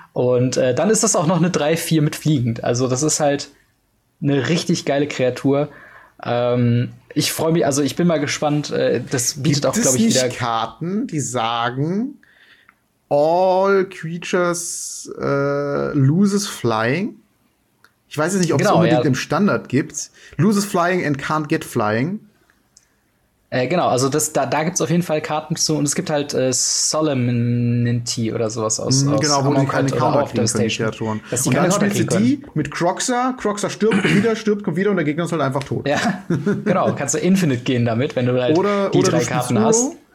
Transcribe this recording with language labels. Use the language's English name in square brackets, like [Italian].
[German] Und dann ist das auch noch eine 3-4 mit fliegend. Also das ist halt eine richtig geile Kreatur. Ich freue mich, also ich bin mal gespannt. Das bietet auch, glaube ich, wieder. Gibt es nicht Karten, die sagen, [English] all creatures loses flying? [German] Ich weiß jetzt nicht, ob es unbedingt im Standard gibt. [English] Loses flying and can't get flying. [German] Genau, also da gibt es auf jeden Fall Karten zu und es gibt halt Solemnity oder sowas aus. Genau, wo du keine Counter kriegst, die Kreaturen. Und dann spielst du die mit Kroxa stirbt, kommt wieder und der Gegner ist halt einfach tot. Ja, genau, kannst du Infinite gehen damit, wenn du halt drei du Karten hast.